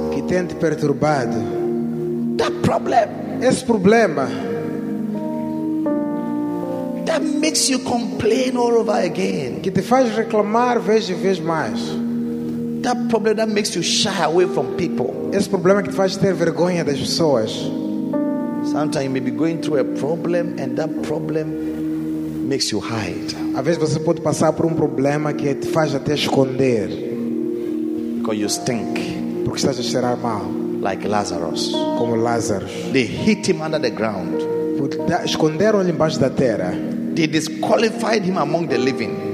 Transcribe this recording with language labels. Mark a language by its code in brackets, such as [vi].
[pt] que tem te perturbado. [en] That problem, [pt] esse problema [en] that makes you complain all over again, [pt] que te faz reclamar vez e vez mais. [en] That problem that makes you shy away from people. [pt] Esse problema que te faz ter vergonha das pessoas. [en] Sometimes you may be going through a problem and that problem makes you hide. [pt] Às vezes você pode passar por problema que te faz até esconder. [en] Because you stink. [pt] Porque estás a cheirar mal. [en] Like Lazarus. [pt] Como Lázaro. [en] They hit him under the ground. [pt] Esconderam-lhe embaixo da terra. [en] They disqualified him among the living.